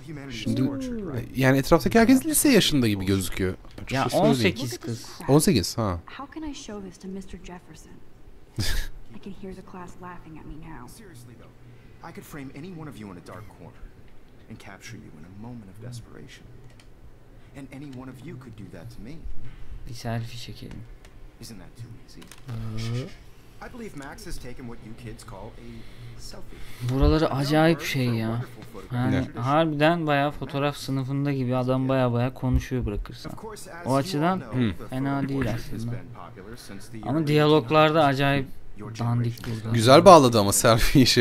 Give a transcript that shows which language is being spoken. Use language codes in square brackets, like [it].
[tr] Şimdi, yani etraftaki herkes lise yaşında gibi gözüküyor. Çok ya 18 değil. Kız. [en] 18, ha. How can I show this to Mr. Jefferson? I can hear the class laughing at me now. Seriously though, I could frame any one of you in a dark corner and capture you in a moment of desperation. And any one of you could do that to me. [tr] Bir selfie çekelim. [en] Isn't that too easy? I believe Max has taken what you kids call a selfie. [tr] Buraları acayip şey ya. Yani harbiden bayağı fotoğraf sınıfında gibi, adam bayağı konuşuyor bırakırsan. O açıdan fena değil aslında. Ama diyaloglarda acayip dandik durdu. Güzel bağladı ama selfie işi.